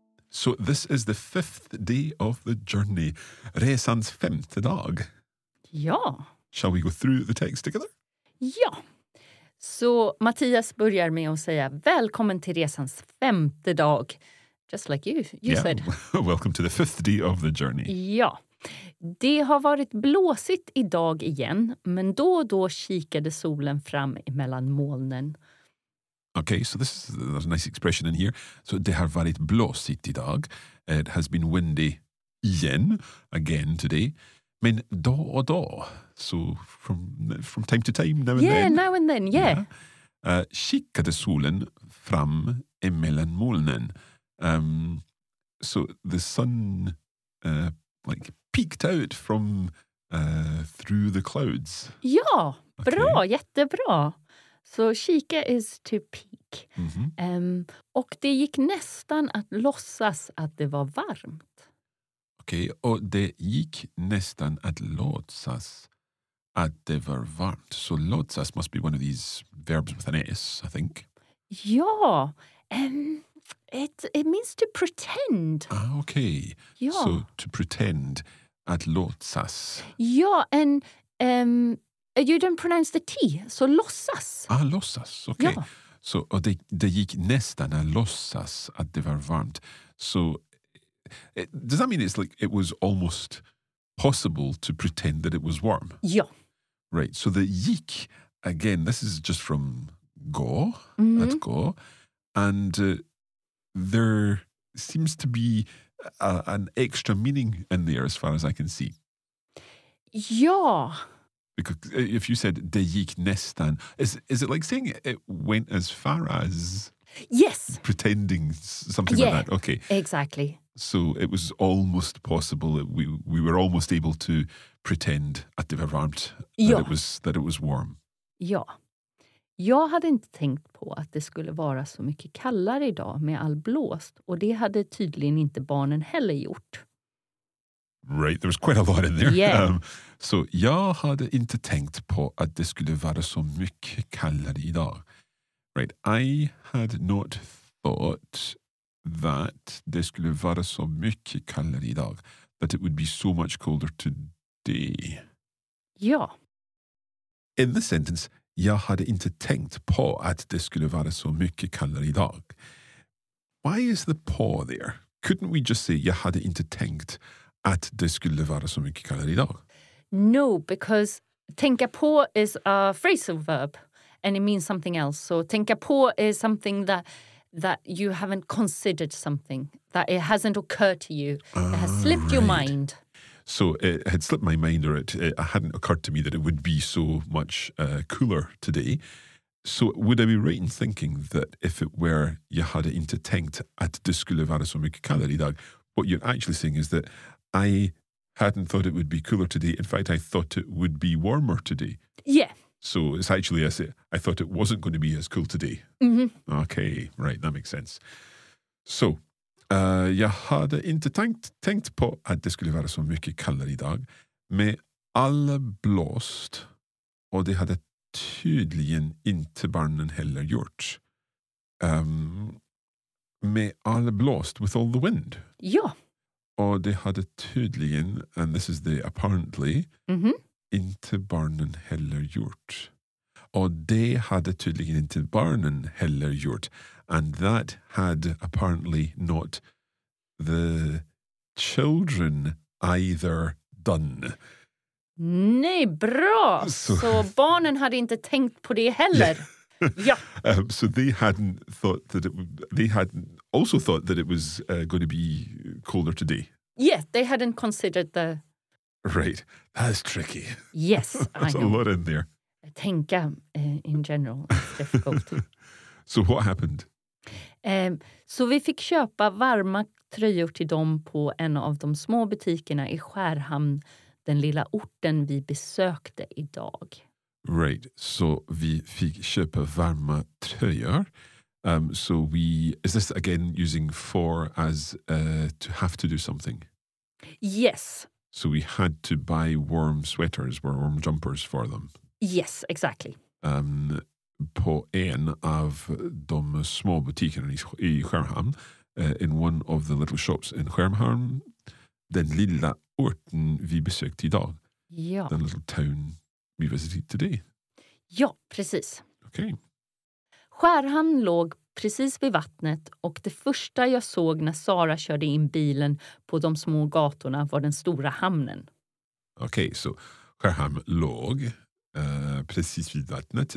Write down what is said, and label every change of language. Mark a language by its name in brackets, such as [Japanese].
[English] So this is the fifth day of the journey. [Swedish] Resans femte dag. Ja. [English] Shall we go through the text together? [Swedish] Ja. Så Mattias börjar med att säga välkommen till resans femte dag. [English] Just like you yeah. said. Welcome to the fifth day of the journey. [Swedish] Ja. Det har varit blåsigt idag igen, men då och då kikade solen fram emellan molnen. [English] Okay, so this is there's a nice expression in here. So [Swedish] det har varit blåsigt idag. [English] It has been windy again today. [Swedish] Men då och då. [English] So from time to time, now and then. [Swedish] Kikade solen fram emellan molnen. [English] So the sun peeked out from through the clouds. [Swedish] Ja, bra, okay. Jättebra. Så kika [English] is to peek. Mm-hmm. [Swedish] Och det gick nästan att låtsas att det var varmt. Okej, okay, och det gick nästan att låtsas att det var varmt. [English] Så låtsas must be one of these verbs with an S, I think. Ja, It means to pretend. Ah, okay. Ja. So to pretend, [Swedish] att låtsas. [English] Ja, and you don't pronounce the T, so låtsas. Ah, låtsas, okay. Ja. [Swedish] Så och det gick nästan att låtsas att det var varmt. [English] So does that mean it's like it was almost possible to pretend that it was warm? [Swedish] Ja. [English] Right, so the gick, again, this is just from gå, mm-hmm. [Swedish] att gå. [English] And there seems to be an extra meaning in there as far as I can see. [Swedish] Ja. [English] Because if you said [Swedish] det gick nästan, [English] is it like saying it went as far as? Yes. Pretending something yeah, like that. Okay. Exactly. So it was almost possible that we were almost able to pretend [Swedish] att det var varmt, ja. [English] That it was warm. [Swedish] Ja. Jag hade inte tänkt på att det skulle vara så mycket kallare idag med all blåst, och det hade tydligen inte barnen heller gjort. [English] Right, there was quite a lot in there. Yeah. [Swedish] So, jag hade inte tänkt på att det skulle vara så mycket kallare idag. [English] Right, I had not thought that [Swedish] det skulle vara så mycket kallare idag. [English] That it would be so much colder today. [Swedish] Ja. [English] In the sentence, [Swedish] jag hade inte tänkt på att det skulle vara så mycket kallare idag. [English] Why is the på there? Couldn't we just say, [Swedish] jag hade inte tänkt att det skulle vara så mycket kallare idag? [English] No, because tänka på is a phrasal verb and it means something else. So tänka på is something that you haven't considered something, that it hasn't occurred to you. Ah, it has slipped right. your mind. So it had slipped my mind, or it hadn't occurred to me that it would be so much cooler today. So would I be right in thinking that if it were [Swedish] jag hade inte tänkt att det skulle vara så mycket kallare idag, [English] what you're actually saying is that I hadn't thought it would be cooler today. In fact, I thought it would be warmer today. Yeah. So it's actually, as I thought it wasn't going to be as cool today. Mm-hmm. Okay, right, that makes sense. [Swedish] So, jag hade inte tänkt på att det skulle vara så mycket kallare idag. Med all blåst, och det hade tydligen inte barnen heller gjort. Med all blåst, [English] with all the wind. [Swedish] Ja. Och det hade tydligen, [English] and this is the apparently, mm-hmm. [Swedish] inte barnen heller gjort. Och det hade tydligen inte barnen heller gjort. [English] And that had apparently not the children either done. [Swedish] Nej, bra! Så barnen hade inte tänkt på det heller. [English] Yeah. [Swedish] Ja. [English] So they hadn't thought that it would, they hadn't, also thought that it was going to be colder today. Yeah, they hadn't considered the... Right, that's tricky. Yes, there's I a know. Lot in there. Tänka in general, difficult. So what happened? [Swedish] Så vi fick köpa varma tröjor till dem på en av de små butikerna i Skärhamn, den lilla orten vi besökte idag. Right, så vi fick köpa varma tröjor. [English] So we, is this again using for as to have to do something? Yes. So we had to buy warm sweaters or warm jumpers for them. Yes, exactly. [Swedish] På en av de små butikerna i Skärhamn, [English] in one of the little shops in Skärhamn, [Swedish] den lilla orten vi besökte idag. Ja. [English] The little town we visited today. [Swedish] Ja, precis. [English] Okay. [Swedish] Skärhamn låg precis vid vattnet, och det första jag såg när Sara körde in bilen på de små gatorna var den stora hamnen. Okej, så Skärhamn låg precis vid vattnet.